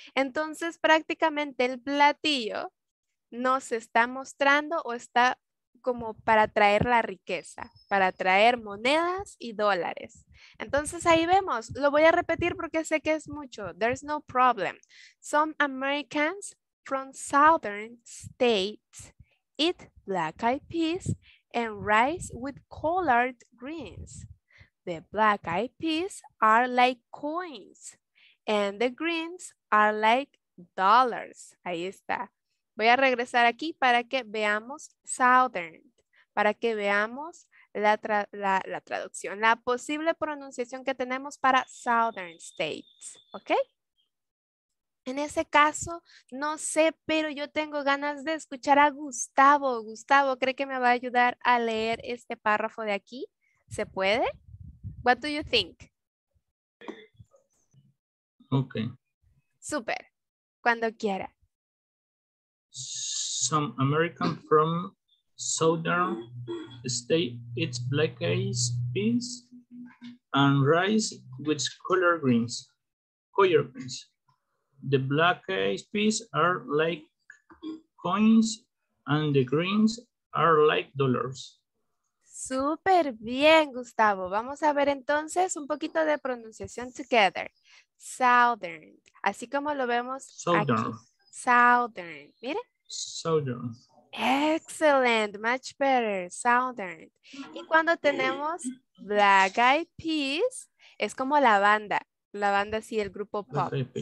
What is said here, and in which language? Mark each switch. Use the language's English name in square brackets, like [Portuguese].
[Spanish] Entonces prácticamente el platillo nos está mostrando o está como para traer la riqueza, para traer monedas y dólares. Entonces ahí vemos, lo voy a repetir porque sé que es mucho. [English] There's no problem. Some Americans from southern states eat black-eyed peas and rice with colored greens. The black-eyed peas are like coins and the greens are like dollars. [Spanish] Ahí está. Voy a regresar aquí para que veamos southern, para que veamos la traducción, la posible pronunciación que tenemos para [English] southern states, [Spanish] ¿ok? En ese caso, no sé, pero yo tengo ganas de escuchar a Gustavo. Gustavo, ¿cree que me va a ayudar a leer este párrafo de aquí? ¿Se puede? [English] What do you think? Ok. [Spanish] Super. Cuando quiera. [English] Some American from southern state eats black eyed peas and rice with color greens. The black eyed peas are like coins and the greens are like dollars. [Spanish] Super bien, Gustavo. Vamos a ver entonces un poquito de pronunciación together. Southern, así como lo vemos [English] southern. [Spanish] Aquí. Southern, mire. [English] Southern. Excellent, much better, southern. [Spanish] Y cuando tenemos [English] black eyed peas, [Spanish] es como la banda sí, el grupo pop.